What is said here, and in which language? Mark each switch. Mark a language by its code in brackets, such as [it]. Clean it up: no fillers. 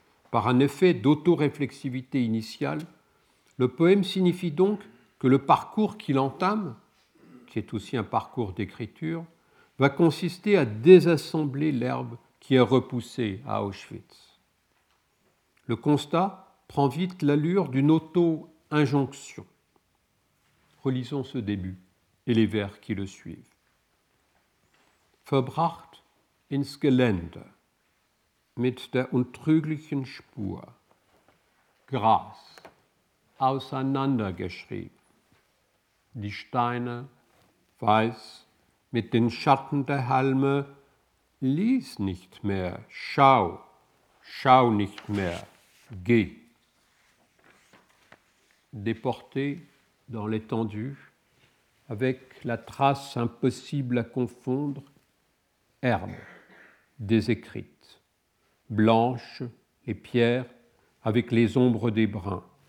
[fr] par un effet d'autoréflexivité initiale, le poème signifie donc que le parcours qu'il entame, qui est aussi un parcours d'écriture, va consister à désassembler l'herbe qui est repoussée à Auschwitz. Le constat prend vite l'allure d'une auto-injonction. Relisons ce début et les vers qui le suivent. [de] Verbracht ins Gelände mit der untrüglichen Spur, Gras auseinandergeschrieben, die Steine weiß mit den Schatten der Halme, lies nicht mehr, schau, schau nicht mehr, geh. [fr] Déporté dans l'étendue, avec la trace impossible à confondre, herbe, désécrite, blanche et pierre avec les ombres des brins.